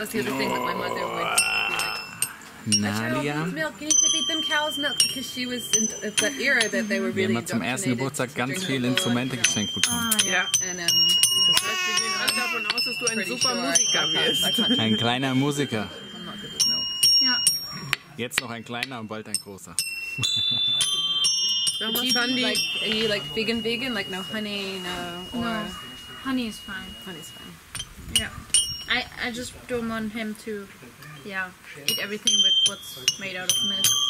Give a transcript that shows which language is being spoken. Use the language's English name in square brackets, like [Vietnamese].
[English] That's the other thing that my mother would be like. Nalia. Milk. Can you feed them cow's milk? Because she was in the era that they were really indoctrinated. [German] Wir haben zum ersten Geburtstag ganz viele Instrumente geschenkt bekommen. [English] Yeah. And, [German] davon aus, dass du ein super Musiker bist. Ein kleiner Musiker. [English] I'm not good with milk. Yeah. [German] Jetzt noch ein kleiner und bald ein großer. [English] But you fun, like, are you like vegan vegan? Like no honey, no or no. Honey is fine. Honey is fine. Yeah. I just don't want him to eat everything with what's made out of milk.